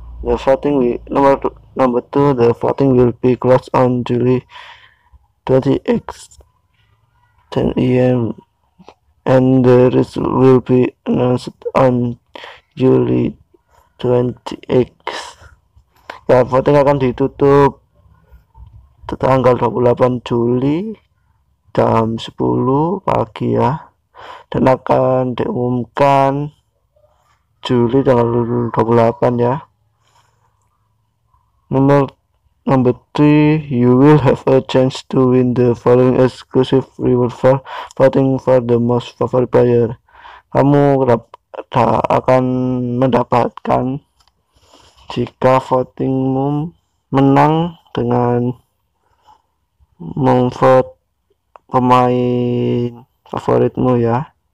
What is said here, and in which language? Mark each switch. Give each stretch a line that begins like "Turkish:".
English: The voting will, number two, the voting will be closed on July 28 10 a.m. and the result will be announced on July 28.
Indonesian: Ya, voting akan ditutup tanggal 28 Juli jam 10 pagi ya, dan akan diumumkan Juli tanggal 28 ya.
English: Number 3, you will have a chance to win the following exclusive reward for voting for the most favorite player.
Indonesian: Kamu akan mendapatkan jika votingmu menang dengan memvote pemain favoritmu ya.